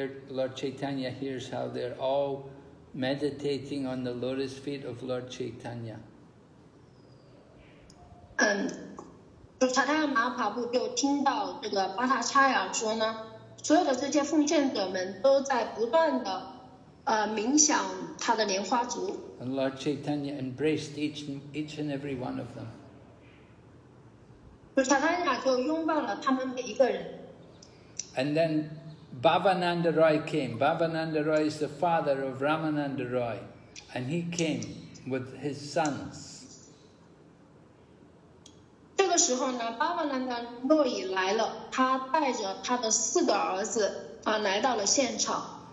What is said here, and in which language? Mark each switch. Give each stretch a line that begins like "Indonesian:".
English: Lord Chaitanya hears how they're all meditating on the lotus feet of Lord Chaitanya.
Chinese: 主塔坦亚马哈帕布就听到这个巴塔查亚说呢，所有的这些奉献者们都在不断的冥想他的莲花足。
English: And Lord Chaitanya embraced each and every one of them.
Chinese: 主塔坦亚就拥抱了他们每一个人。
English: And then. Bhavananda Roy came. Bhavananda Roy is the father of Ramananda Roy, and he came with his sons.
Chinese: 这个时候呢 ，Bhavananda Roy 来了，他带着他的四个儿子来到了现场。